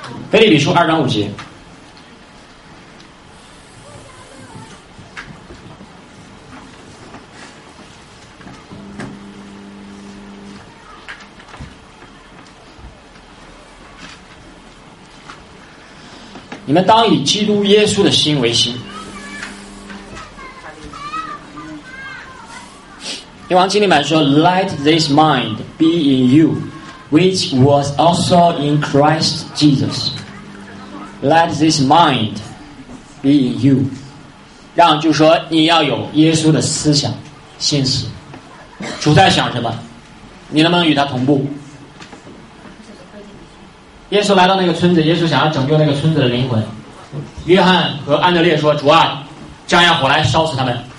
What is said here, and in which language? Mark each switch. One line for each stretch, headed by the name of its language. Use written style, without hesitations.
Chinese: 腓立比书二章五节，你们当以基督耶稣的心为心。因王经理们说
English: Let this mind be in you which was also in Christ Jesus. Let this mind be in you.
Chinese: 让就说你要有耶稣的思想心思，主在想什么，你能不能与他同步。耶稣来到那个村子，耶稣想要拯救那个村子的灵魂。约翰和安德烈说，主啊，将要火来烧死他们。